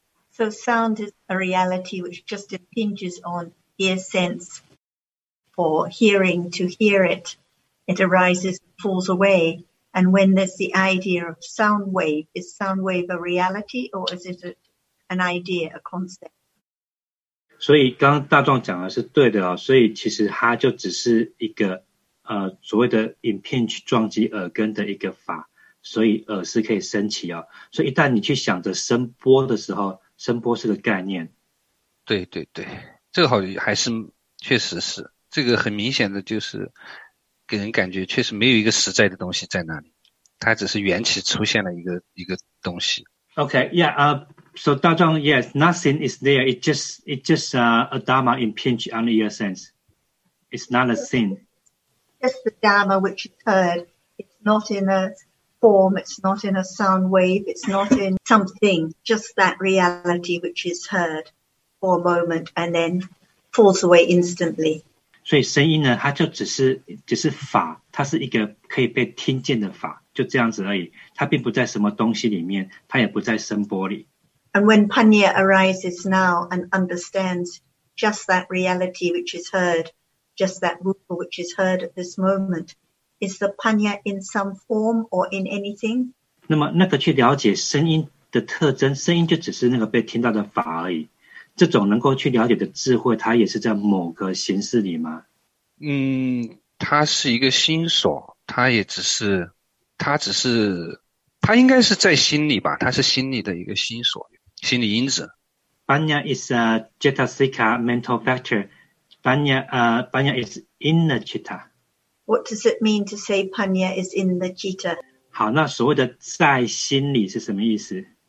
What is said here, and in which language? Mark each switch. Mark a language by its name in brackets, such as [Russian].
[English] So sound is a reality which just impinges on ear sense for hearing to hear it. It arises, falls away. And when there's the idea of sound wave, is sound wave a reality or is it an idea, a concept? [Chinese] 所以刚刚大壮讲的是对的哦，所以其实它就只是一个所谓的 impinge 撞击耳根的一个法，所以耳是可以升起哦。所以一旦你去想着声波的时候，声波是个概念。对对对，这个好像还是确实是，这个很明显的就是给人感觉确实没有一个实在的东西在那里，它只是缘起出现了一个东西。 [English] Okay, yeah. So 大壮 yes, nothing is there. It just a dharma impinge on the ear sense. It's not a thing. Just the dharma which is heard. It's not in a form. It's not in a sound wave. It's not in something. Just that reality which is heard for a moment and then falls away instantly. [Chinese] 所以声音呢，它就只是法，它是一个可以被听见的法，就这样子而已。它并不在什么东西里面，它也不在声波里。 [English] And when Panya arises now and understands just that reality which is heard, just that rupa which is heard at this moment, is the Panya in some form or in anything? [Chinese] 那么那个去了解声音的特征，声音就只是那个被听到的法而已。这种能够去了解的智慧，它也是在某个形式里吗？它是一个心所，它也只是，它只是，它应该是在心里吧？它是心里的一个心所，心理因子。 [English] Panya is a cittasika mental factor. Panya is in the citta. What does it mean to say Panya is in the citta? [Chinese] 好，那所谓的在心里是什么意思？